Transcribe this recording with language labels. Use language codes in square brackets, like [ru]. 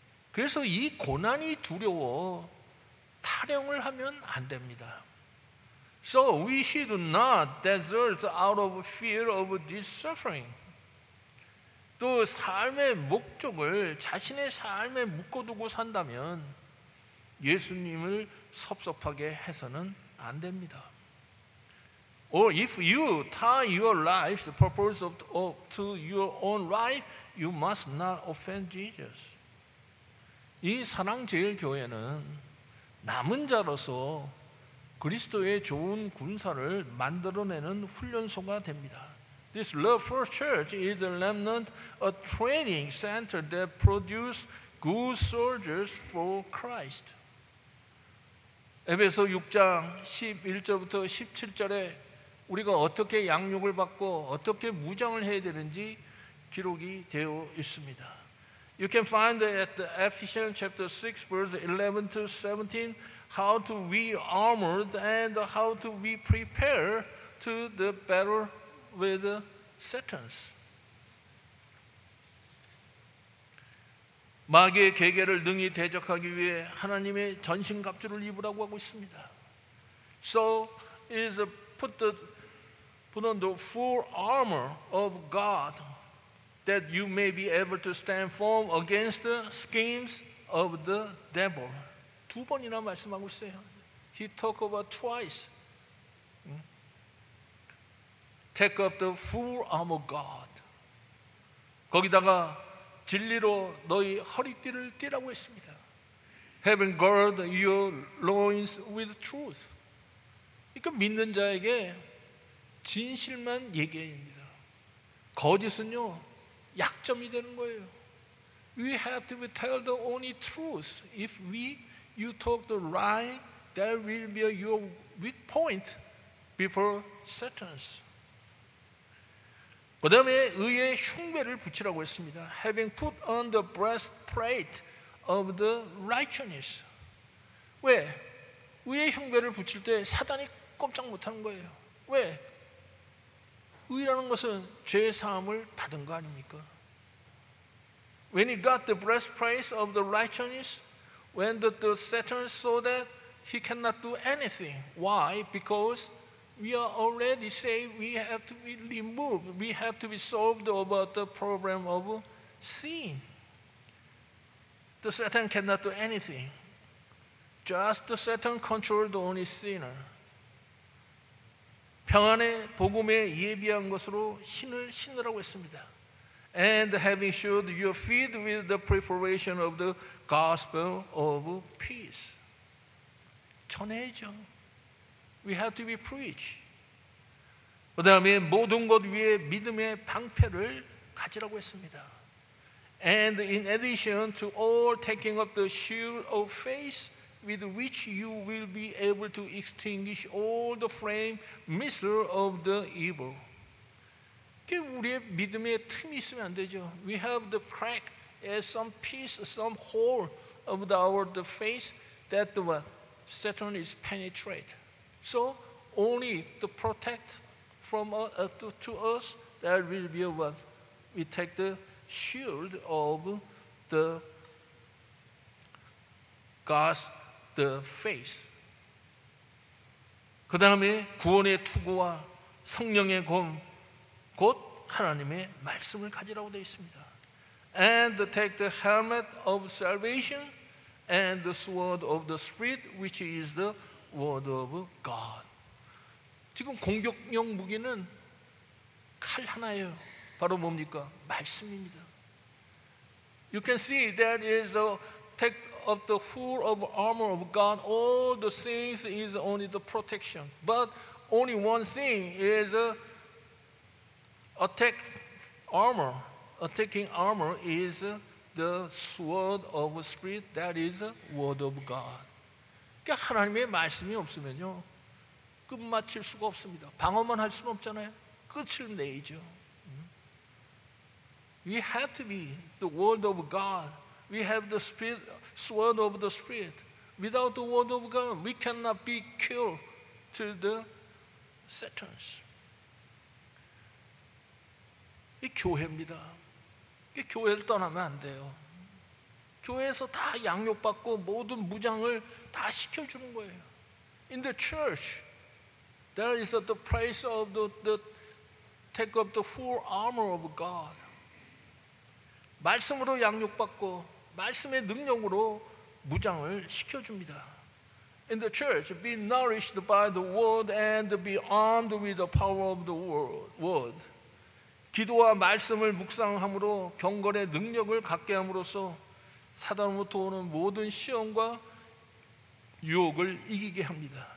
[ko] 그래서 이 고난이 두려워 탈영을 하면 안 됩니다. [en] So we should not desert out of fear of this suffering. [ko] 또 삶의 목적을 자신의 삶에 묶어두고 산다면 예수님을 섭섭하게 해서는 안 됩니다. [en] Or if you tie your life, the purpose of to your own life, you must not offend Jesus. [ko] 이 사랑제일교회는 남은 자로서 그리스도의 좋은 군사를 만들어내는 훈련소가 됩니다. [en] This Love First Church is a remnant, a training center that produces good soldiers for Christ. [ko] 에베소 6장 11절부터 17절에 우리가 어떻게 양육을 받고 어떻게 무장을 해야 되는지 기록이 되어 있습니다. [en] You can find at the Ephesians chapter 6 verse 11 to 17 how to be armored and how to be prepared to the battle with Satan's. [ko] 마귀의 계계를 능히 대적하기 위해 하나님의 전신갑주를 입으라고 하고 있습니다. [en] So is put the, put on the full armor of God that you may be able to stand firm against the schemes of the devil. [ko] 두 번이나 말씀하고 있어요. [en] He talked about twice. Take up the full armor of God. [ko] 거기다가 진리로 너희 허리띠를 띠라고 했습니다. [en] Having girded your loins with truth. [ko] 그러니까 믿는 자에게 진실만 얘기합니다. 거짓은요, 약점이 되는 거예요. [en] We have to tell the only truth. If we, you talk the lie, that will be your weak point before Satan. [ko] 그 다음에 의의 흉배를 붙이라고 했습니다. [en] Having put on the breastplate of the righteousness. [ko] 왜? 의의 흉배를 붙일 때 사단이 꼼짝 못하는 거예요. 왜? 의라는 것은 죄사함을 받은 거 아닙니까? [en] When he got the breastplate of the righteousness, when the Satan saw that, he cannot do anything. Why? Because we are already saved. We have to be removed. We have to be solved about the problem of sin. The Satan cannot do anything. Just the Satan controlled the only sinner. [ko] 평안의 복음에 예비한 것으로 신을 신으라고 했습니다. [en] And having shod your feet with the preparation of the gospel of peace. [ko] 전해줘. [en] We have to be preached. [ko] 그 다음에 모든 것 위에 믿음의 방패를 가지라고 했습니다. [en] And in addition to all taking up the shield of faith with which you will be able to extinguish all the flame missile of the evil. [ko] 그게 우리의 믿음의 틈이 있으면 안 되죠. [en] We have the crack as some piece, some hole of our the faith that the what? Satan is penetrate. So only to protect from to us, that will be what we take the shield of the God's the face. [ko] 그 다음에 구원의 투구와 성령의 검, 곧 하나님의 말씀을 가지라고 되어 있습니다. [en] And take the helmet of salvation and the sword of the spirit, which is the Word of God. [ko] 지금 공격용 무기는 칼 하나예요. 바로 뭡니까? 말씀입니다. [en] You can see that is a take of the full of armor of God. All the things is only the protection. But only one thing is a attack armor. Attacking armor is the sword of spirit. That is the Word of God. [ko] 하나님의 말씀이 없으면요, 끝마칠 수가 없습니다. 방어만 할 수는 없잖아요. 끝을 내죠. [en] We have to be the word of God. We have the spirit, sword of the spirit. Without the word of God, we cannot be killed to the Satan's. [ko] 이 교회입니다. 이 교회를 떠나면 안 돼요. 교회에서 다 양육받고 모든 무장을 다 시켜주는 거예요. [en] In the church, there is the place of the take up the full armor of God. [ko] 말씀으로 양육받고 말씀의 능력으로 무장을 시켜줍니다. [en] In the church, be nourished by the word and be armed with the power of the word. [ko] 기도와 말씀을 묵상함으로 경건의 능력을 갖게 함으로써 사단으로부터 오는 모든 시험과 유혹을 이기게 합니다.